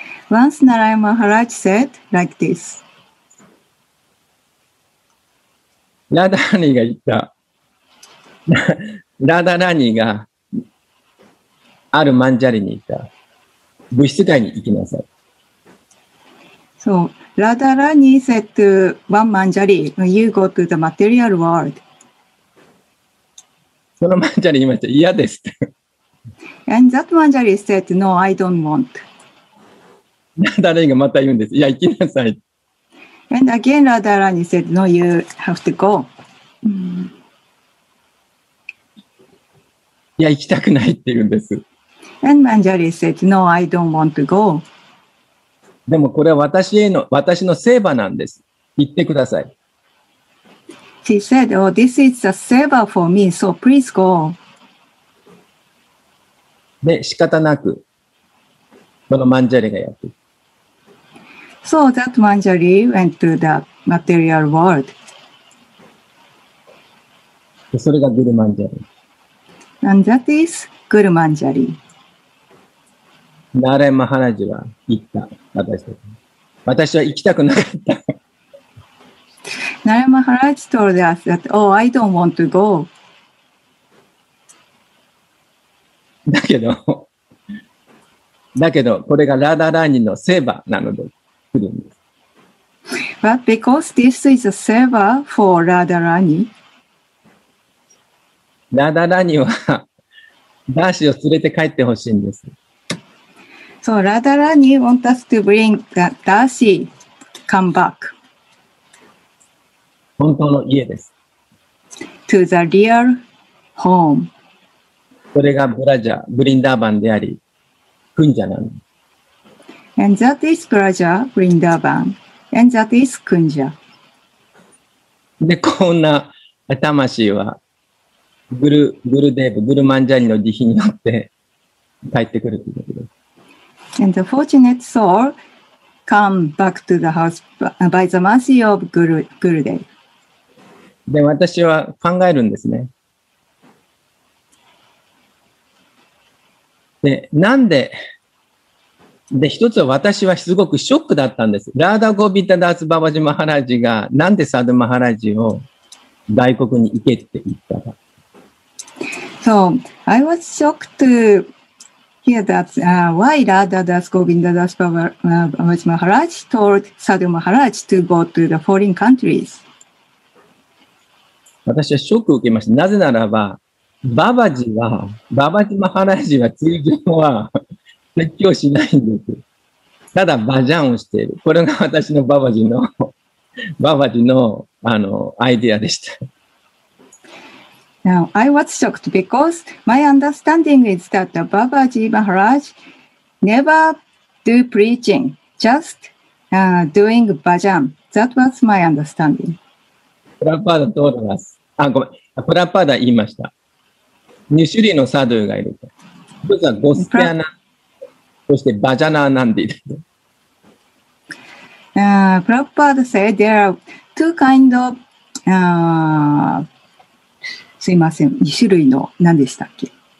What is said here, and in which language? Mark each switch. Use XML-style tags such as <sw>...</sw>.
<en>Once ナラヤマハラジ said like this。</en> <ja>ラダーニが言った。ラダラニが。あるマンジャリに行った。物質界に行きなさい。</ja> <en>So, Radharani said to one manjari, you go to the material world.</en> <ja>そのマンジャリ言いました。嫌です。</ja> <en>And that manjari said, no, I don't want.</en> <ja>Radharani がまた言うんです。いや、行きなさい。</ja> <en>And again, Radharani said, no, you have to go.</en> <ja>いや、行きたくないって言うんです。</ja> <en>And Manjari said, "No, I don't want to go."</en> <ja>でもこれは私のセーバーなんです。言ってください。</ja> <en>She said, "Oh, this is a seva for me, so please go."</en> <ja>で、仕方なくこのマンジャリがやってる。</ja> <en>So that Manjari went to the material world.</en> <ja>それがグルマンジャリ。</ja> <en>And that is グルマンジャリ。</en> <ja>ナーラヤマハラジは言った、私は行きたくなかった。</ja> <en>ナーラヤマハラジ told us that, oh, I don't want to go.</en> <ja>だけど、これがラダラーニのセーバーなので来るんです。</ja> <en>But because this is a seva for ラダラーニ。</en> <ja>ラダラーニはダーシを連れて帰ってほしいんです。</ja> <en>So Radharani wants us to bring the Darcy come back.</en> <ja>本当の家です。</ja> <en>To the real home.</en> <ja>それがブラジャ、ブリンダーバンであり、クンジャなの。</ja> <en>And that is ブラジャ、ブリンダーバン。And that is クンジャ。</en> <ja>で、こんな魂はグルデーブ、グルマンジャリの慈悲によって帰ってくるということです。</ja> <en>And the fortunate soul come back to the house by the mercy of Gurudev.</en> <ja>で、私は考えるんですね。で、なんでで、一つは私はすごくショックだったんです。ラーダ・ゴビタ・ダース・ババジ・マハラジがなんでサド・マハラジを外国に行けって言ったか。</ja> <en>So, I was shocked to hear that why Radha Das Govinda Das Babaji Maharaj told Sadhu Maharaj to go to the foreign countries.</en> <ja>私はショックを受けました。なぜならば、ババジマハラジは通常は説教しないんです。ただバジャンをしている。これが私のババジの、アイデアでした。</ja> <en>Now, I was shocked because my understanding is that the Babaji Maharaj never do preaching, just doing bhajan. That was my understanding.</en> <ja>プラパーダ通ります。あ、ごめん。プラパーダ言いました。2種類のサドゥがいる。一つはゴスティアナ、そしてバジャナーナンディ。プラパーダ</ja> <en>said there are two kind of、</en> <ja>すいません、2種類の何でしたっけ？</ja>